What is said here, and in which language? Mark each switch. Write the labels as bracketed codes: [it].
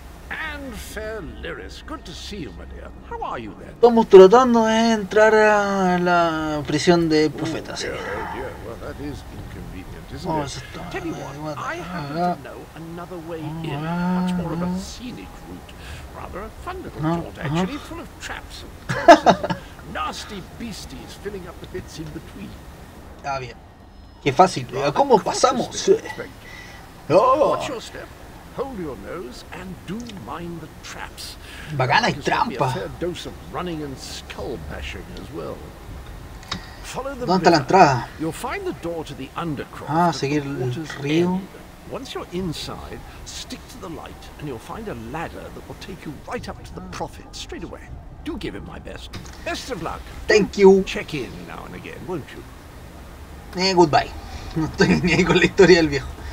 [en] And fair Lyris, good to see you, my dear. How are you then? [es] Estamos tratando de entrar a la prisión de profetas. [en] Oh, dear, well, that is inconvenient, isn't it? Tell you what, I happen to know another way in, much more of a scenic route. Rather a fun little thought, actually, full of traps and nasty beasties filling up the bits in between. [es] Ah, bien. Qué fácil. ¿Cómo pasamos? [en] What's your step? Hold your nose and do mind the traps. [es] Bacana y trampa. [en] A fair dose of running and skull bashing as well. Follow the [es] ¿dónde está la entrada? [en] You'll find the door to the undercroft. [es] Ah, seguir el río. [en] Once you're inside, stick to the light and you'll find a ladder that will take you right up to the prophet straight away. Do give him my best. Best of luck. Thank you. Check in now and again, won't you? [es] Goodbye. No estoy ni ahí con la historia del viejo.